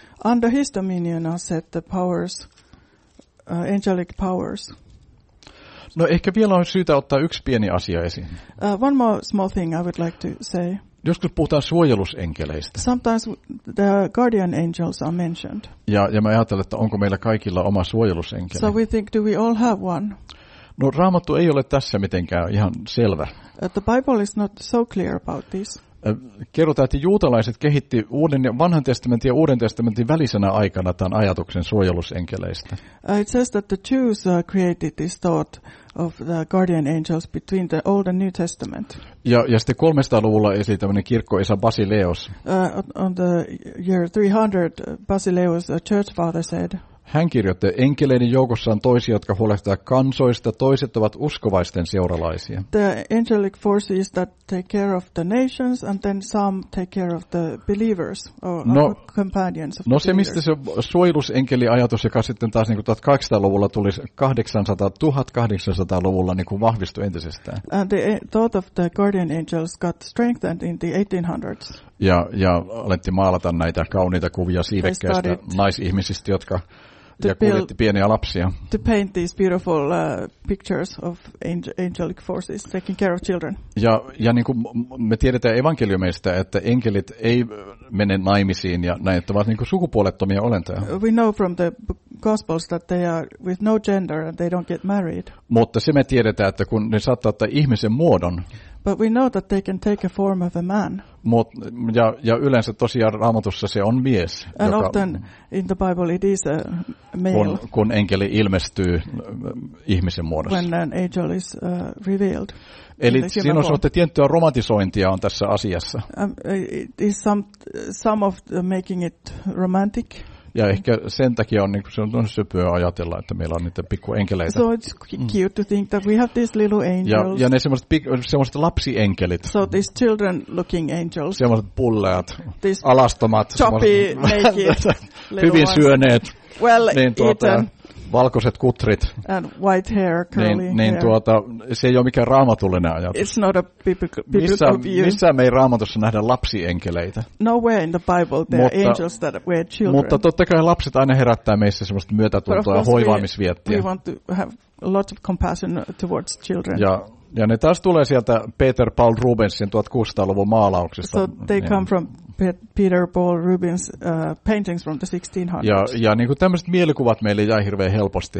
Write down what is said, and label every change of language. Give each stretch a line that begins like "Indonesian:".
English: Under his dominion are set the powers, angelic powers.
Finnish: No ehkä vielä on syytä ottaa yksi pieni asia esiin.
English: One more small thing I would like to say.
Finnish: Joskus puhutaan suojelusenkeleistä.
English: Sometimes the guardian angels are mentioned.
Finnish: Ja mä ajattelen, että onko meillä kaikilla oma suojelusenkeli.
English: So we think, do we all have one?
Finnish: No Raamattu ei ole tässä mitenkään ihan selvä.
English: The Bible is not so clear about this.
Finnish: kerrotaan, että juutalaiset kehitti uuden vanhan testamentin ja uuden testamentin välisenä aikana tämän ajatuksen suojelusenkeleistä.
English: It says that the Jews created this thought of the guardian angels between the Old and New Testament.
Finnish: Ja sitten 300-luvulla esiin tämmöinen kirkkoisa Basileos.
English: On the year 300, Basileos, the church father, said.
Finnish: Hän kirjoitti, että enkeleiden joukossa on toisia, jotka huolehtivat kansoista, toiset ovat uskovaisten seuralaisia.
English: The angelic forces that take care of the nations, and then some take care of the believers, or no, companions of no the believers.
Finnish: No se, mistä se suojelusenkeliajatus, joka sitten taas niin 1800-luvulla tuli 1800-luvulla niin vahvistui entisestään.
English: And the thought of the guardian angels got strengthened in the 1800s.
Finnish: Ja alettiin maalata näitä kauniita kuvia siivekkäistä naisihmisistä, jotka ja kuljetti pieniä lapsia.
English: To paint these beautiful pictures of angelic forces taking care of children.
Finnish: Ja niin kuin me tiedetään evankeliumeista, että enkelit ei mene naimisiin ja näin, että ovat niin kuin sukupuolettomia olentoja.
English: We know from the gospels that they are with no gender and they don't get married.
Finnish: Mutta se me tiedetään, että kun ne saattaa ottaa ihmisen muodon.
English: But we know that they can take a form of a man.
Finnish: Ja yleensä tosiaan Raamatussa se on mies.
English: And
Finnish: joka,
English: often in the Bible it is a male.
Finnish: Kun enkeli ilmestyy ihmisen muodossa.
English: When an angel is revealed.
Finnish: Eli siinä on tiettyä romantisointia on tässä asiassa.
English: It is some of the making it romantic.
Finnish: Ja ehkä sen takia on niin se on sypyä ajatella, että meillä on niitä pikkuenkeleitä.
English: So it's cute to think that we have these little angels.
Finnish: Ja ne semmoiset lapsienkelit.
English: So these children looking angels.
Finnish: Semmoiset pulleat, these alastomat,
English: choppy, naked,
Finnish: hyvin
English: ones.
Finnish: Syöneet,
English: well niin eaten.
Finnish: Valkoiset kutrit.
English: And white hair, curly
Finnish: niin,
English: hair.
Finnish: Niin se ei ole mikään raamatullinen ajatus.
English: It's not a biblical view.
Finnish: Missä me ei raamatussa nähdä lapsienkeleitä?
English: Nowhere in the Bible there are angels that were children.
Finnish: Mutta totta kai lapset aina herättää meissä semmoista myötätuntoa ja hoivaamisviettiä.
English: We want to have a lot of compassion towards children.
Finnish: Ja ne taas tulee sieltä Peter Paul Rubensin 1600-luvun maalauksesta.
English: So they come from Peter Paul Rubens' paintings from the 1600s.
Finnish: Ja niin kuin tämmöiset mielikuvat meille jäi hirveän helposti.